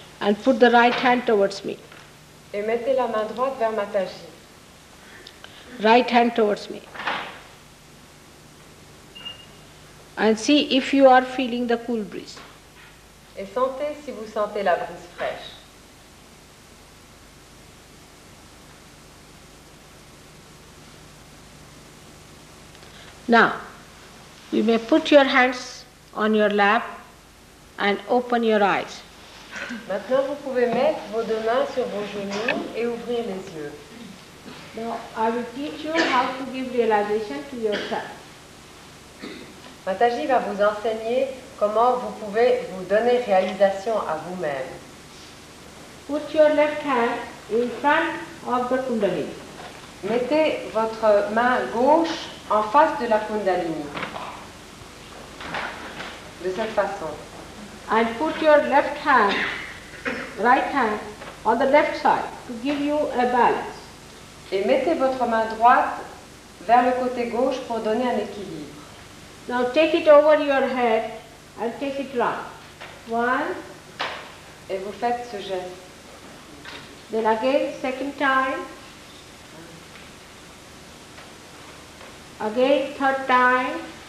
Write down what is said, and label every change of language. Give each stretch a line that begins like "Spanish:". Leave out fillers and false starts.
English: And put the right hand towards me.
French: Et mettez la main droite vers Mataji.
English: Right hand towards me. And see if you are feeling the cool breeze.
French: Et sentez si vous sentez la brise fraîche.
English: Now, you may put your hands on your lap and open your eyes.
French: Maintenant, vous pouvez mettre vos deux mains sur vos genoux et ouvrir les yeux.
English: Now, I will teach you how to give realization to yourself.
French: Mataji va vous enseigner comment vous pouvez vous donner réalisation à vous-même.
English: Put your left hand in front of the Kundalini.
French: Mettez votre main gauche en face de la Kundalini. De cette façon.
English: And put your left hand, right hand, on the left side to give you a balance.
French: Et mettez votre main droite vers le côté gauche pour donner un équilibre.
English: Now take it over your head and take it round. One.
French: Et vous faites ce geste.
English: Then again, second time. Again, third time.